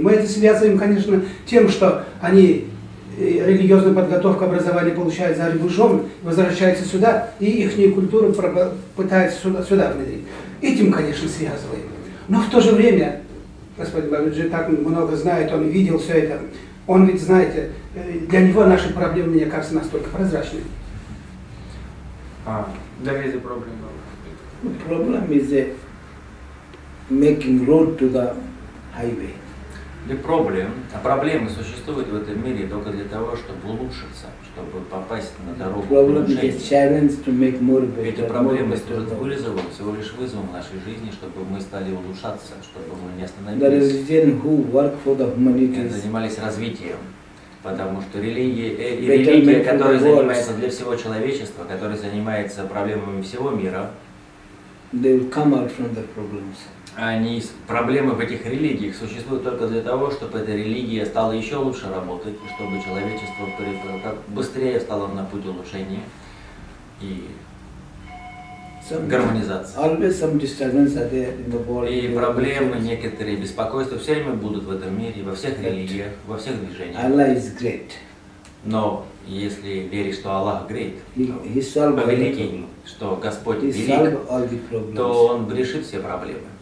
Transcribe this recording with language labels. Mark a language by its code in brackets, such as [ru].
[ru] Мы это связываем, конечно, тем, что они религиозную подготовку, образование получают за рубежом, возвращаются сюда, и их культуру пытаются сюда внедрить. Этим, конечно, связываем. Но в то же время, господин Бабаджи так много знает, он видел все это. Он ведь, знаете, для него наши проблемы, мне кажется, настолько прозрачны. [en] А, there is a problem. Problem is the making road to the highway. [ru] Проблемы существуют в этом мире только для того, чтобы улучшиться, чтобы попасть на дорогу улучшения. Эти проблемы стоят вызовом, всего лишь вызовом в нашей жизни, чтобы мы стали улучшаться, чтобы мы не остановились. Мы занимались развитием. Потому что религия, которая занимается для всего человечества, которая занимается проблемами всего мира, [en] they will come out from the problems. [ru] Они, проблемы в этих религиях существуют только для того, чтобы эта религия стала еще лучше работать, чтобы человечество как быстрее стало на путь улучшения и гармонизации. [en] Always some disturbances are there in the world. [ru] И проблемы, некоторые беспокойства все время будут в этом мире, во всех религиях, во всех движениях. [en] Allah is great. [ru] Но если веришь, что Аллах great, великий, что Господь велик, то Он решит все проблемы.